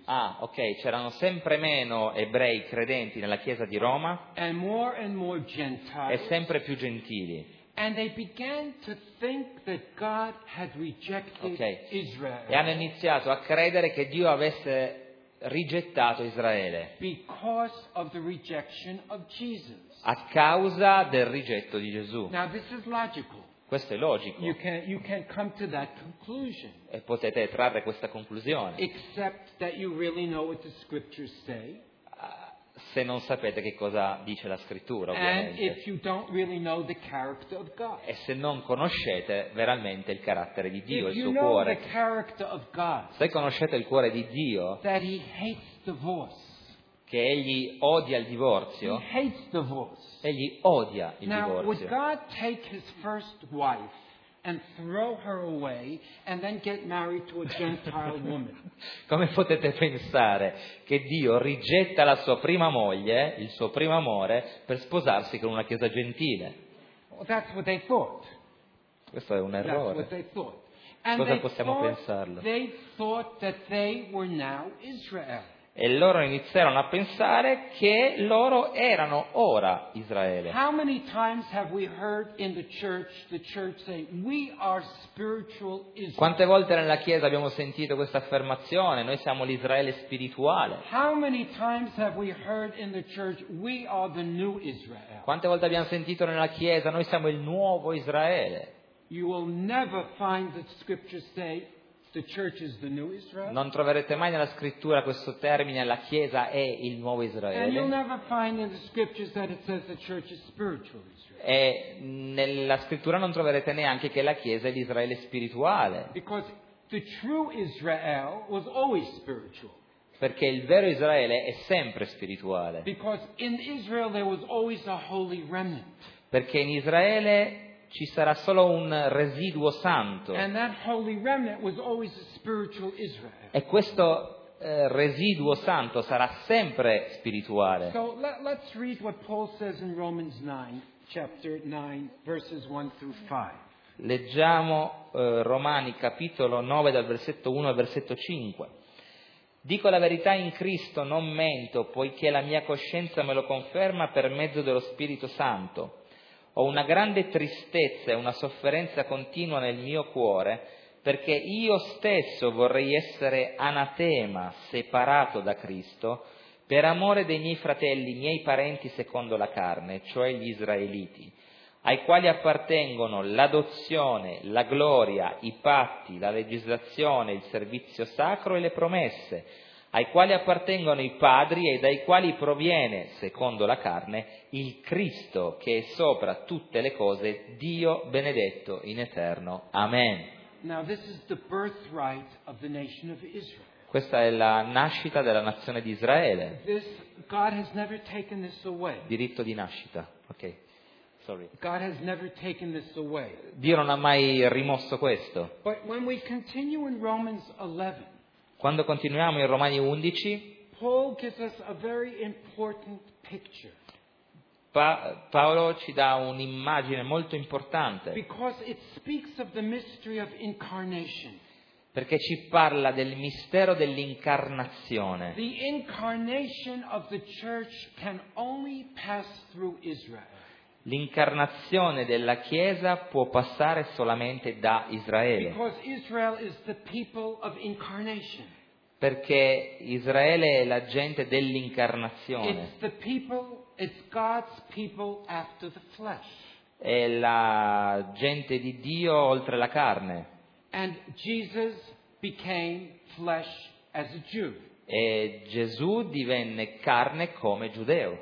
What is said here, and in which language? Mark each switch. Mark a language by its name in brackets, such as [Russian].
[Italian] Ah, ok, c'erano sempre meno ebrei credenti nella Chiesa di Roma. [English] And more Gentiles. [Italian] E sempre più gentili. [English] And they began to think that God had rejected Israel. [Italian] E hanno iniziato a credere che Dio avesse rigettato Israele. [English] Because of the rejection of Jesus. [Italian] A causa del rigetto di Gesù. [English] Now this is logical. [Italian] Questo è logico. [English] You can come to that conclusion. [Italian] E potete trarre questa conclusione. [English] Except that you really know what the scriptures say. [Italian] Se non sapete che cosa dice la scrittura, ovviamente. [English] And if you don't really know the character of God. [Italian] E se non conoscete veramente il carattere di Dio, [English] if [Italian] il suo [English] you know [Italian] cuore. [English] The character of God, [Italian] se conoscete il cuore di Dio, [English] that he hates divorce. [Italian] Che egli odia il divorzio. [English] He hates divorce. [Italian] Egli odia il [English] Now, [Italian] divorzio. [English] Would God take his first wife and throw her away and then get married to a Gentile woman? [Italian] Come potete pensare che Dio rigetta la sua prima moglie, il suo primo amore, per sposarsi con una chiesa gentile? [English] Well, that's what they thought. [Italian] Questo è un errore. [English] That's what they thought. [Italian] And cosa possiamo pensarlo? [English] They thought that they were now Israel. [Italian] E loro iniziarono a pensare che loro erano ora Israele. [English] How many times have we heard in the church say we are spiritual Israel? [Italian] Quante volte nella chiesa abbiamo sentito questa affermazione? Noi siamo l'Israele spirituale. [English] How many times have we heard in the church we are the new Israel? [Italian] Quante volte abbiamo sentito nella chiesa noi siamo il nuovo Israele? [English] You will never find the scriptures say the church is the new Israel. [Italian] Non troverete mai nella scrittura questo termine, la chiesa è il nuovo Israele. [English] And you'll never find in the scriptures that it says the church is spiritual Israel. [Italian] E nella scrittura non troverete neanche che la chiesa è l'Israele spirituale. [English] Because the true Israel was always spiritual. [Italian] Perché il vero Israele è sempre spirituale. [English] Because in Israel there was always a holy remnant. [Italian] Perché in Israele ci sarà solo un residuo santo. [English] And that holy remnant was always a spiritual Israel. [Italian] E questo residuo santo sarà sempre spirituale. [English] So let's read what Paul says in Romans 9, chapter 9, verses 1 through 5. [Italian] Leggiamo Romani capitolo 9 dal versetto 1 al versetto 5. Dico la verità in Cristo, non mento, poiché la mia coscienza me lo conferma per mezzo dello Spirito Santo. Ho una grande tristezza e una sofferenza continua nel mio cuore, perché io stesso vorrei essere anatema, separato da Cristo, per amore dei miei fratelli, miei parenti secondo la carne, cioè gli israeliti, ai quali appartengono l'adozione, la gloria, i patti, la legislazione, il servizio sacro e le promesse, ai quali appartengono i padri e dai quali proviene, secondo la carne, il Cristo che è sopra tutte le cose, Dio benedetto in eterno. Amen. [English] Now this is the birthright of the nation of Israel. [Italian] Questa è la nascita della nazione di Israele. [English] This, God has never taken this away. [Italian] Diritto di nascita. Okay. [English] Sorry. God has never taken this away. [Italian] Dio non ha mai rimosso questo. [English] But when we continue in Romans 11, [Italian] quando continuiamo in Romani 11, [English] Paul gives us a very important picture. [Italian] Paolo ci dà un'immagine molto importante. [English] Because it speaks of the mystery of incarnation. [Italian] Perché ci parla del mistero dell'incarnazione. [English] The incarnation of the church can only pass through Israel. [Italian] L'incarnazione della Chiesa può passare solamente da Israele. [English] Because Israel is the people of incarnation. [Italian] Perché Israele è la gente dell'incarnazione. [English] It's the people, it's God's people after the flesh. [Italian] È la gente di Dio oltre la carne. [English] And Jesus became flesh as a Jew. [Italian] E Gesù divenne carne come giudeo.